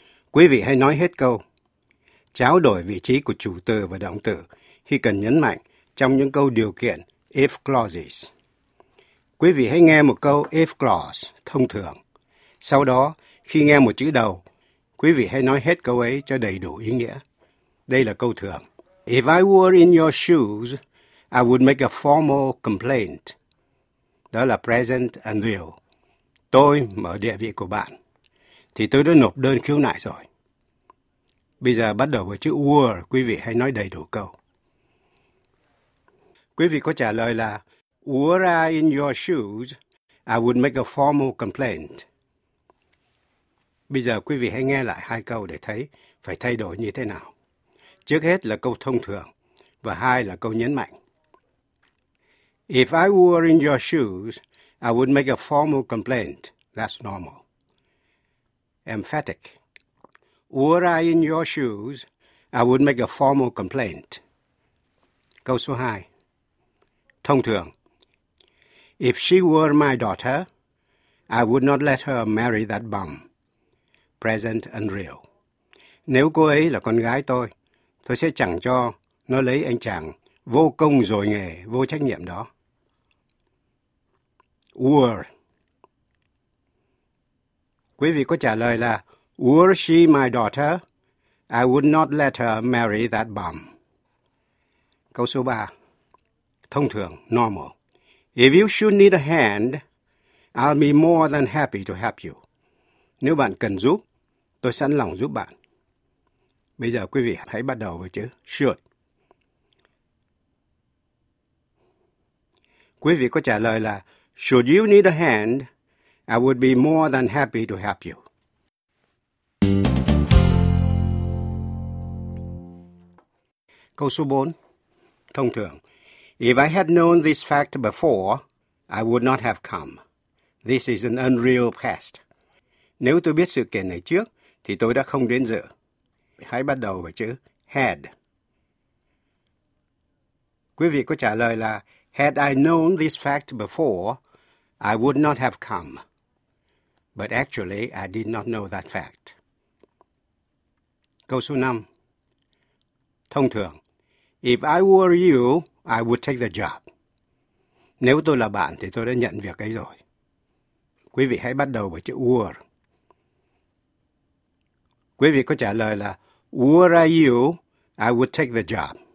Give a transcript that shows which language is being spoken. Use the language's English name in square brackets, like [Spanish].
[Vietnamese] Quý vị hãy nói hết câu. Tráo đổi vị trí của chủ từ và động từ khi cần nhấn mạnh trong những câu điều kiện if clauses. Quý vị hãy nghe một câu if clause thông thường. Sau đó, khi nghe một chữ đầu, quý vị hãy nói hết câu ấy cho đầy đủ ý nghĩa. Đây là câu thường. [English] If I were in your shoes, I would make a formal complaint. [Vietnamese] Đó là [English] present and real. [Vietnamese] Tôi mở địa vị của bạn, thì tôi đã nộp đơn khiếu nại rồi. Bây giờ bắt đầu với chữ were, quý vị hãy nói đầy đủ câu. Quý vị có trả lời là [English] were I in your shoes, I would make a formal complaint. [Vietnamese] Bây giờ quý vị hãy nghe lại hai câu để thấy phải thay đổi như thế nào. Trước hết là câu thông thường, và hai là câu nhấn mạnh. [English] If I were in your shoes, I would make a formal complaint. That's normal. Emphatic. Were I in your shoes, I would make a formal complaint. [Vietnamese] Câu số 2. Thông thường. [English] If she were my daughter, I would not let her marry that bum. Present and real. [Vietnamese] Nếu cô ấy là con gái tôi sẽ chẳng cho nó lấy anh chàng vô công rồi nghề, vô trách nhiệm đó. [English] Were. [Vietnamese] Quý vị có trả lời là [English] were she my daughter, I would not let her marry that bum. [Vietnamese] Câu số 3. Thông thường, [English] normal. If you should need a hand, I'll be more than happy to help you. [Vietnamese] Nếu bạn cần giúp, tôi sẵn lòng giúp bạn. Bây giờ quý vị hãy bắt đầu với chữ should. Quý vị có trả lời là [English] should you need a hand, I would be more than happy to help you. [Vietnamese] Câu số 4. Thông thường. [English] If I had known this fact before, I would not have come. This is an unreal past. [Vietnamese] Nếu tôi biết sự kiện này trước, thì tôi đã không đến dự. Hãy bắt đầu với chữ had. Quý vị có trả lời là [English] had I known this fact before, I would not have come. But actually, I did not know that fact. [Vietnamese] Câu số 5. Thông thường. [English] If I were you, I would take the job. [Vietnamese] Nếu tôi là bạn thì tôi đã nhận việc ấy rồi. Quý vị hãy bắt đầu với chữ were. Quý vị có trả lời là [English] were I you, I would take the job.